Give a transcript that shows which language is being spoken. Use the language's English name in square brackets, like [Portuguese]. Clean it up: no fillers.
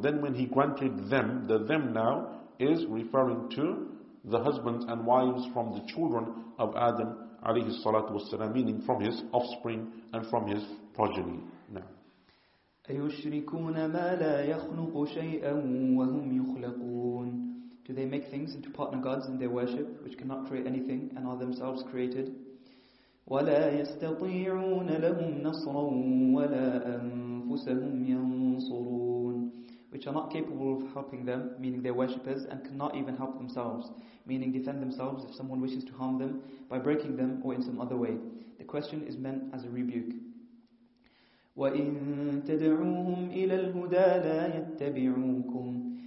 [English] Then when he granted them, the them now is referring to the husbands and wives from the children of Adam alayhi salatu wassalam, meaning from his offspring and from his progeny. Now, [Arabic] أَيُشْرِكُونَ مَا لَا يَخْلُقُ شَيْئًا وَهُمْ يُخْلَقُونَ. [English] Do they make things into partner gods in their worship, which cannot create anything and are themselves created? [Arabic] ولا يستطيعون لهم نصرا ولا أنفسهم ينصرون. [English] Which are not capable of helping them, meaning their worshippers, and cannot even help themselves, meaning defend themselves if someone wishes to harm them by breaking them or in some other way. The question is meant as a rebuke. [Arabic] وَإِن تَدْعُوهُمْ إِلَى الْهُدَى لَا يَتَّبِعُوكُمْ.